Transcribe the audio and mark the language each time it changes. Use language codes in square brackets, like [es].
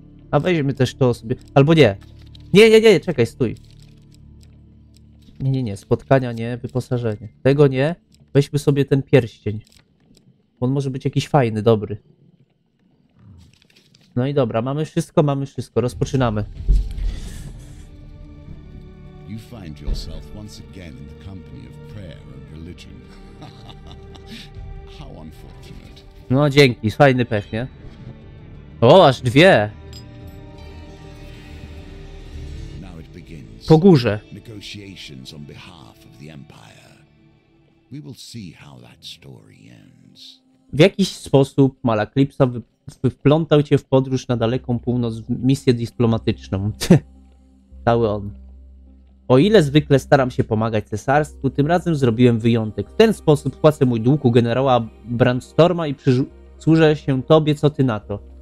[pl] A weźmy też to sobie. Albo nie. Nie, czekaj, stój. Nie, spotkania nie, wyposażenie. Tego nie. Weźmy sobie ten pierścień. On może być jakiś fajny, dobry. No i dobra, mamy wszystko. Rozpoczynamy. [en] You find yourself once again in the company of prayer and religion. How unfortunate. [pl] No dzięki, fajny pech, nie? O, aż dwie. [en] Now it begins. [pl] Po górze. [en] Negotiations on behalf of the Empire. We will see how that story ends. [pl] W jakiś sposób Malaklipsa wplątał cię w podróż na daleką północ w misję dyplomatyczną. Cały on. O ile zwykle staram się pomagać cesarstwu, tym razem zrobiłem wyjątek. W ten sposób płacę mój dług u generała Brandstorma i przysłużę się tobie, co ty na to.